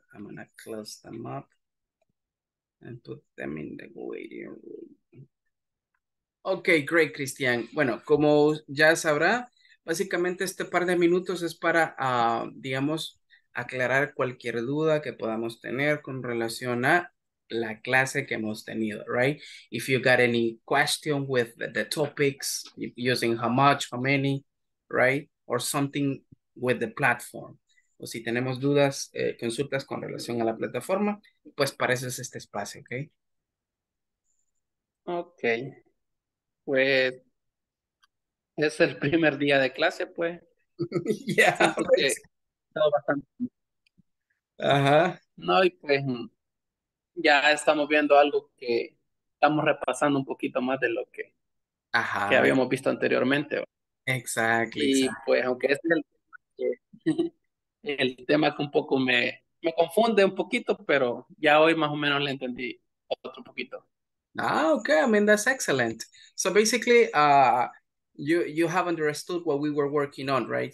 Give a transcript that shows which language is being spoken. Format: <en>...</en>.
<en>I'm going to close them up and put them in the waiting room. Okay, great, Christian.</en> <es>Bueno, como ya sabrá, básicamente este par de minutos es para, digamos, aclarar cualquier duda que podamos tener con relación a la clase que hemos tenido, right?</es> <en>If you got any question with the topics, using how much, how many, right? Or something with the platform.</en> <es>O si tenemos dudas, consultas con relación a la plataforma, pues para eso es este espacio, ¿ok?</es> <en>Ok.</en> <es>Pues es el primer día de clase, pues.</es> <en>Yeah.</en> <es>Porque estaba bastante. Ajá. No, y pues ya estamos viendo algo que estamos repasando un poquito más de lo que, ajá, que habíamos visto anteriormente.</es> <en>Exactly.</en> <es>Y pues aunque es el tema que un poco me confunde un poquito, pero ya hoy más o menos le entendí otro poquito.</es> <en>Ah, okay. I mean, that's excellent. So basically, you have understood what we were working on, right?</en>